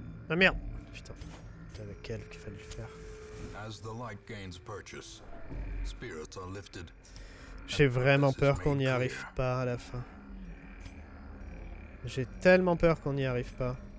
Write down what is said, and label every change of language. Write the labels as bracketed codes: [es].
[fr] Ah merde! Putain, c'est avec elle qu'il fallait le faire. [en] As the light gains purchase, spirits are lifted. [fr] J'ai vraiment peur qu'on n'y arrive pas à la fin. J'ai tellement peur qu'on n'y arrive pas.